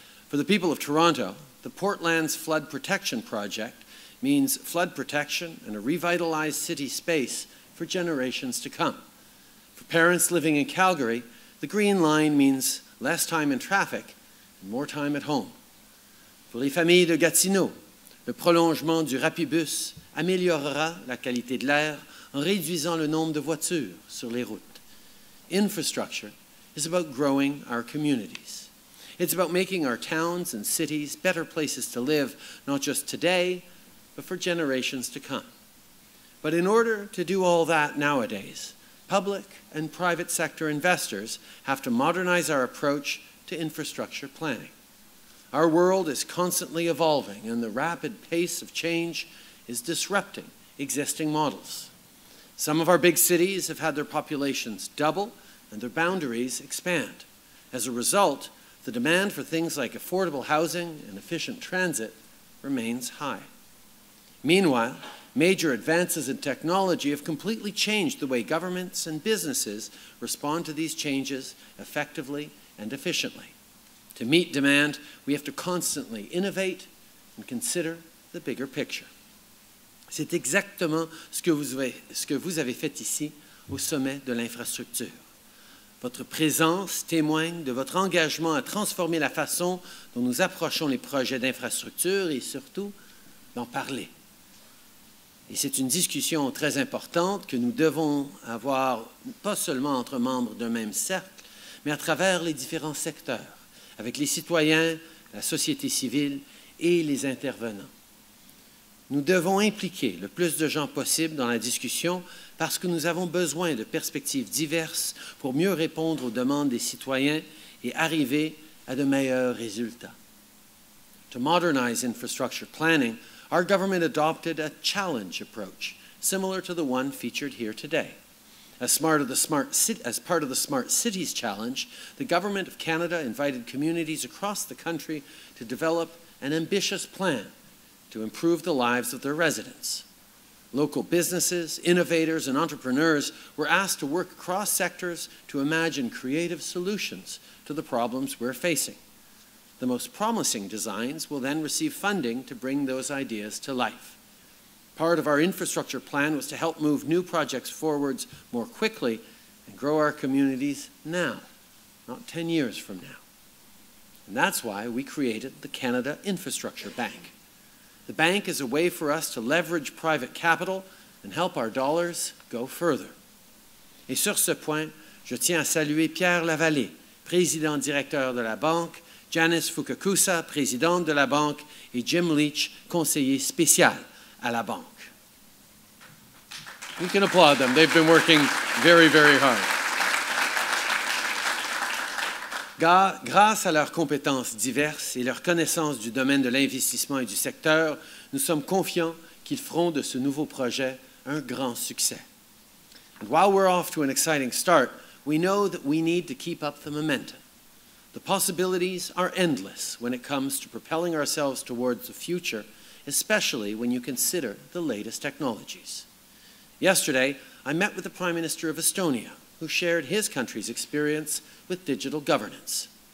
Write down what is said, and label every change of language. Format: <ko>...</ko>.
<en>For the people of Toronto, the Portlands Flood Protection Project means flood protection and a revitalized city space for generations to come. For parents living in Calgary, the Green Line means less time in traffic and more time at home.</en> <fr>For les familles de Gatineau, le prolongement du Rapibus améliorera la qualité de l'air en réduisant le nombre de voitures sur les routes.</fr> <en>Infrastructure is about growing our communities. It's about making our towns and cities better places to live, not just today, but for generations to come. But in order to do all that nowadays, public and private sector investors have to modernize our approach to infrastructure planning. Our world is constantly evolving, and the rapid pace of change is disrupting existing models. Some of our big cities have had their populations double and their boundaries expand. As a result, the demand for things like affordable housing and efficient transit remains high. Meanwhile, major advances in technology have completely changed the way governments and businesses respond to these changes effectively and efficiently. To meet demand, we have to constantly innovate and consider the bigger picture.</en> <fr>C'est exactement ce que vous avez fait ici au sommet de l'infrastructure. Votre présence témoigne de votre engagement à transformer la façon dont nous approchons les projets d'infrastructure et surtout d'en parler. Et c'est une discussion très importante que nous devons avoir pas seulement entre membres d'un même cercle, mais à travers les différents secteurs. Avec les citoyens, la société civile et les intervenants. Nous devons impliquer le plus de gens possible dans la discussion parce que nous avons besoin de perspectives diverses pour mieux répondre aux demandes des citoyens et arriver à de meilleurs résultats.</fr> <en>To modernize infrastructure planning, our government adopted a challenge approach, similar to the one featured here today. As part of the Smart Cities Challenge, the Government of Canada invited communities across the country to develop an ambitious plan to improve the lives of their residents. Local businesses, innovators, and entrepreneurs were asked to work across sectors to imagine creative solutions to the problems we're facing. The most promising designs will then receive funding to bring those ideas to life. Part of our infrastructure plan was to help move new projects forwards more quickly and grow our communities now, not 10 years from now. And that's why we created the Canada Infrastructure Bank. The bank is a way for us to leverage private capital and help our dollars go further.</en> <fr>Et sur ce point, je tiens à saluer Pierre Lavallée, président directeur de la banque, Janice Fukakusa, présidente de la banque, et Jim Leach, conseiller spécial. À la banque.</fr> <en>We can applaud them. They've been working very, very hard.</en> <fr>Grâce à leurs compétences diverses et leur connaissance du domaine de l'investissement et du secteur, nous sommes confiants qu'ils feront de ce nouveau projet un grand succès.</fr> <en>And while we're off to an exciting start, we know that we need to keep up the momentum. The possibilities are endless when it comes to propelling ourselves towards the future, especially when you consider the latest technologies. Yesterday, I met with the Prime Minister of Estonia, who shared his country's experience with digital governance.</en>